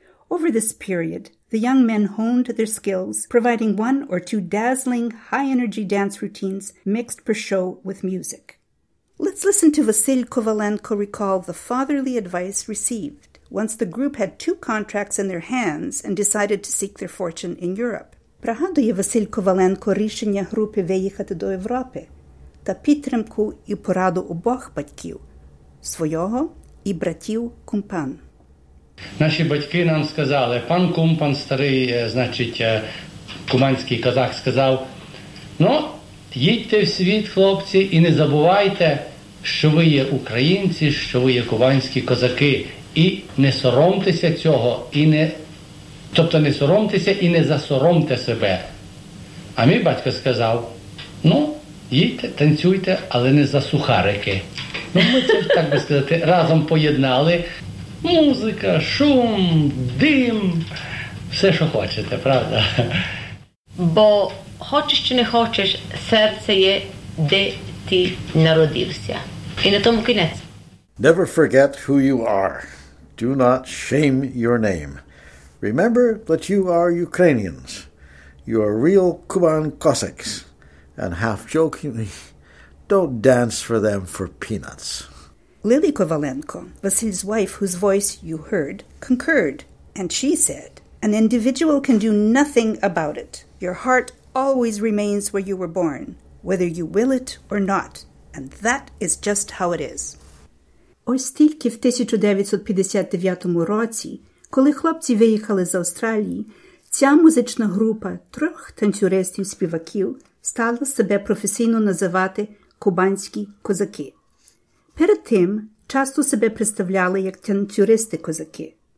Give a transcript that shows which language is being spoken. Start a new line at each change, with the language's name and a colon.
English: Over this period, the young men honed their skills, providing one or two dazzling, high-energy dance routines mixed per show with music. Let's listen to Vasyl Kovalenko recall the fatherly advice received once the group had two contracts in their hands and decided to seek their fortune in Europe.
Ukrainian: Пригадує Василь Коваленко рішення групи виїхати до Європи та підтримку і пораду обох батьків – свого і братів Кумпан. Наші батьки нам сказали, пан Кумпан, старий, значить, куманський казах, сказав, ну, їдьте в світ, хлопці, і не забувайте, що ви є українці, що ви є куманські козаки, і не соромтеся цього, і не... Тобто не соромтеся і не засоромте себе. А мій батько сказав, ну, їдьте, танцюйте, але не за сухарики. Ну, ми це, так би сказати, разом поєднали. Музика, шум, дим, все, що хочете, правда? Бо хочеш чи не хочеш, серце є, де ти народився. І на тому кінець.
English: Never forget who you are. Do not shame your name. Remember that you are Ukrainians, you are real Kuban Cossacks, and half-jokingly, don't dance for them for peanuts. Lily Kovalenko, Vasyl's wife whose voice you heard, concurred, and she said, an individual can do nothing about it. Your heart always remains where you were born, whether you will it or not, and that is just how it is.
Ukrainian: Ось тільки в 1959 році, коли хлопці виїхали з Австралії, ця музична група трьох танцюристів-співаків стала себе професійно називати «кубанські козаки». Перед тим часто себе представляли як танцюристи-козаки.